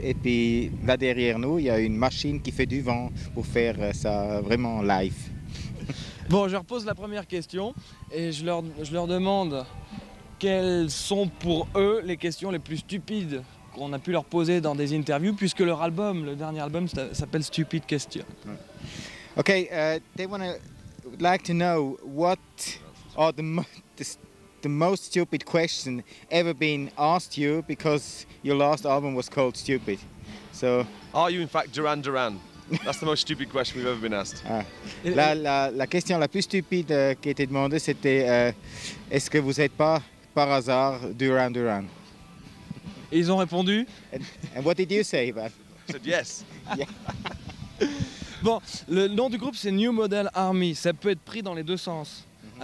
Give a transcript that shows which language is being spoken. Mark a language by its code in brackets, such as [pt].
[fr] Et puis là derrière nous, il y a une machine qui fait du vent pour faire ça vraiment live. Bon, je leur pose la première question et je leur demande quelles sont pour eux les questions les plus stupides qu'on a pu leur poser dans des interviews, puisque leur album, le dernier album, s'appelle Stupid Question. [en] Ok, they wanna like to know what are the most stupid question ever been asked you, because your last album was called Stupid. So, are you in fact Duran Duran? That's the most stupid question we've ever been asked. [fr] La question la plus stupide qui était demandée, c'était est-ce que vous n'êtes pas par hasard Duran Duran? Ils ont répondu. [en] And what did you say, Ivan? I said yes. [fr] Bon, le nom du groupe c'est New Model Army. Ça peut être pris dans les deux sens. Mm-hmm.